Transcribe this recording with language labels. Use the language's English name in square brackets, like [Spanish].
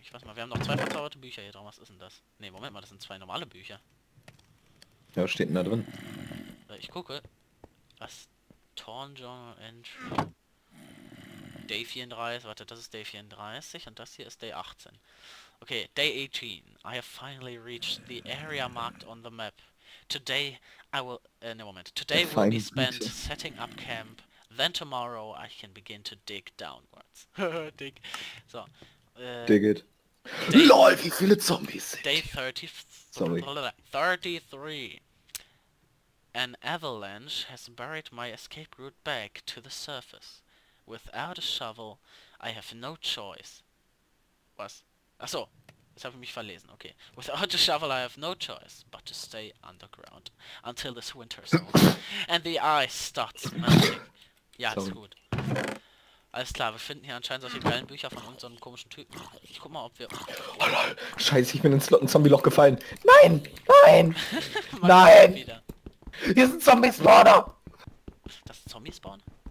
[German] Ich weiß mal, wir haben noch zwei verzauberte Bücher hier drauf. Was ist denn das? Ne, Moment mal, das sind zwei normale Bücher. Ja, was steht denn da drin? Ich gucke. Was? Torn Journal Entry. Day 34, warte, das ist Day 34 und das hier ist Day 18. Okay, Day 18. [English] I have finally reached the area marked on the map. Today I will... Today will be spent setting up camp. Then tomorrow I can begin to dig downwards. Dig. So. Dig it. Day, LOL, [German] wie viele Zombies sind. [English] Day 33. An avalanche has buried my escape route back to the surface. Without a shovel, I have no choice. [German] Was? Achso, Jetzt habe ich mich verlesen, okay. [English] Without a shovel I have no choice but to stay underground until this winter starts and the ice starts melting. [German] Ja, sorry. Ist gut. Alles klar, wir finden hier anscheinend solche geilen Bücher von unserem komischen Typen. Ich guck mal, ob wir... Oh lol, scheiße, ich bin ins Zombie-Loch gefallen. Nein! Nein! Nein! Hier ist ein Zombie-Spawner! Das ist Zombie-Spawner?